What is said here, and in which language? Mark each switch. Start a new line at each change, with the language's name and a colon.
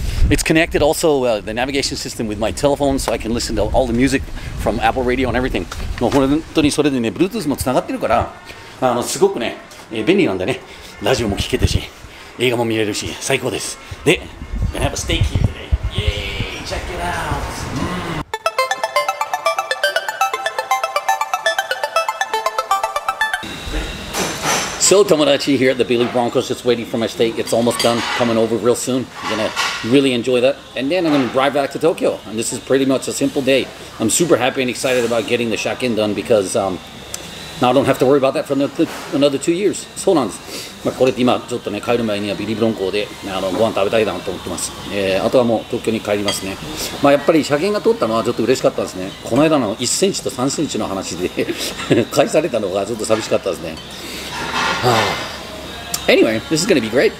English: It's connected also, the navigation system with my telephone, so I can listen to all the music from Apple Radio and everything.
Japanese: もう本当にそれでね、Bluetooth もつながってるから、すごくね、便利なんだね。ラジオも聴けてし、映画も見れるし、最高です。で、
English: I'm gonna have a steak here today. Yay! Check it out! So, Tomodachi here at the Billy Broncos, just waiting for my steak. It's almost done, coming over real soon. I'm gonna really enjoy that. And then I'm gonna drive back to Tokyo. And this is pretty much a simple day. I'm super happy and excited about getting the shotgun done because Now I don't have to worry about that for another 2 years.
Japanese: そうなんです。まあ、これって今ちょっとね帰る前にはビリブロンコで、ね、あのご飯食べたいなと思ってます、あとはもう東京に帰りますね。まあ、やっぱり車検が通ったのはちょっと嬉しかったですね。この間の1センチと3センチの話で返されたのがちょっと寂しかったですね。はあ、
English: Anyway, this is going to be great.